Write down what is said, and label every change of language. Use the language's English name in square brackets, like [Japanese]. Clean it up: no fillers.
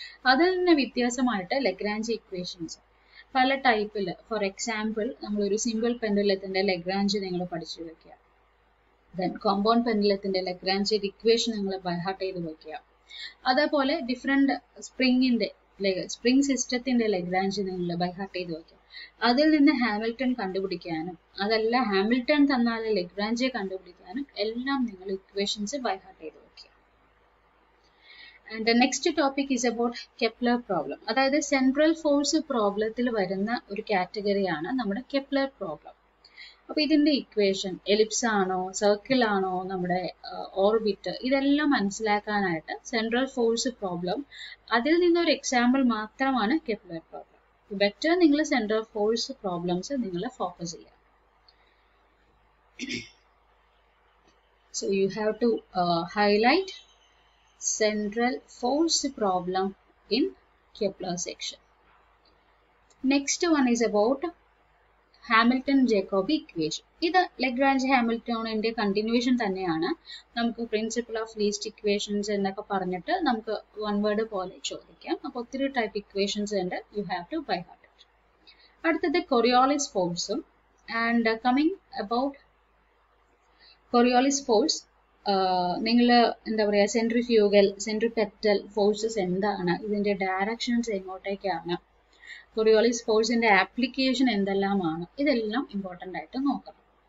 [Malayalam] അതിൽ നിന്ന് വ്യത്യാസമായിട്ട് Lagrangian equations പല ടൈപ്പിൽ, ഫോർ എക്സാമ്പിൾ നമ്മളൊരു സിമ്പിൾ പെൻഡുലത്തിൻ്റെ ലഗ്രാൻഷ് നിങ്ങൾ പഠിച്ചു വെക്കുക, ദെൻ കോമ്പൗണ്ട് പെൻഡുലത്തിൻ്റെ ലഗ്രാൻഷ്യൻ ഇക്വേഷൻ നിങ്ങൾ ബൈഹാർട്ട് ചെയ്ത് വെക്കുക, അതേപോലെ ഡിഫറെൻ്റ് സ്പ്രിങ്ങിൻ്റെ സ്പ്രിംഗ് സിസ്റ്റത്തിൻ്റെ ലഗ്രാൻഷ് നിങ്ങൾ ബൈഹാർട്ട് ചെയ്ത് വെക്കുക. അതിൽ നിന്ന് ഹാമിൽട്ടൺ കണ്ടുപിടിക്കാനും അതല്ല ഹാമിൽട്ടൺ തന്നാൽ ലഗ്രാൻഷ് കണ്ടുപിടിക്കാനും എല്ലാം നിങ്ങൾ ഇക്വേഷൻസ് ബൈഹാർട്ട് ചെയ്ത് വെക്കുക. [English] And the next topic is about Kepler problem. [Malayalam] അതായത് സെൻട്രൽ ഫോഴ്സ് പ്രോബ്ലത്തിൽ വരുന്ന ഒരു കാറ്റഗറിയാണ് നമ്മുടെ കെപ്ലർ പ്രോബ്ലം. അപ്പോൾ ഇതിൻ്റെ ഇക്വേഷൻ എലിപ്സ് ആണോ സർക്കിൾ ആണോ നമ്മുടെ ഓർബിറ്റ് ഇതെല്ലാം മനസ്സിലാക്കാനായിട്ട് സെൻട്രൽ ഫോഴ്സ് പ്രോബ്ലം അതിൽ നിന്നൊരു എക്സാമ്പിൾ മാത്രമാണ് കെപ്ലർ പ്രോബ്ലം. ബെറ്റർ നിങ്ങൾ സെൻട്രൽ ഫോഴ്സ് പ്രോബ്ലംസ് നിങ്ങൾ ഫോക്കസ് ചെയ്യുക. [English] So you have to highlight central force problem in Kepler section. Next one is about Hamilton-Jacobi equation. [Malayalam] ഇത് ലഗ്രാൻജ്-ഹാമിൽട്ടോണിൻ്റെ കണ്ടിന്യൂഷൻ തന്നെയാണ്. നമുക്ക് പ്രിൻസിപ്പിൾ ഓഫ് ലീസ്റ്റ് ഇക്വേഷൻസ് എന്നൊക്കെ പറഞ്ഞിട്ട് നമുക്ക് വൺ വേർഡ് പോലെ ചോദിക്കാം. അപ്പോൾ ഒത്തിരി ടൈപ്പ് ഇക്വേഷൻസ് ഉണ്ട്, [English] You have to by heart it. [Malayalam] അടുത്തത് കൊറിയോളിസ് ഫോഴ്സും and coming about Coriolis force നിങ്ങൾ എന്താ പറയുക സെൻട്രിഫ്യൂഗൽ സെൻട്രിപെറ്റൽ ഫോഴ്സസ് എന്താണ്, ഇതിൻ്റെ ഡയറക്ഷൻസ് എങ്ങോട്ടേക്കാണ്, കൊറിയോളിസ് ഫോഴ്സിൻ്റെ ആപ്ലിക്കേഷൻ എന്തെല്ലാമാണ്, ഇതെല്ലാം ഇമ്പോർട്ടൻ്റ് ആയിട്ട് നോക്കണം.